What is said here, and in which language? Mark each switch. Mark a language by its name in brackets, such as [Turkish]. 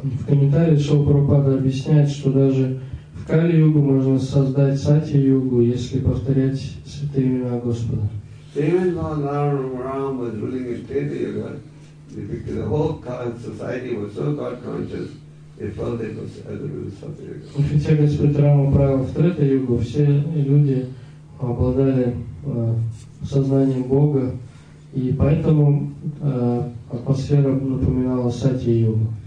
[Russian] В комментариях Шрила Прабхупада объясняет, что даже в Кали Югу можно создать Сати Югу, если повторять святые имена Господа. [English] Even though Lord Ram was ruling in Treta Yuga, because the whole society was so God conscious, they felt it was as a result of Satya Yuga. [Russian] Хотя Господь Рама правил в Трета Югу, все люди обладали сознанием Бога, и поэтому атмосфера напоминала Сатья-йогу.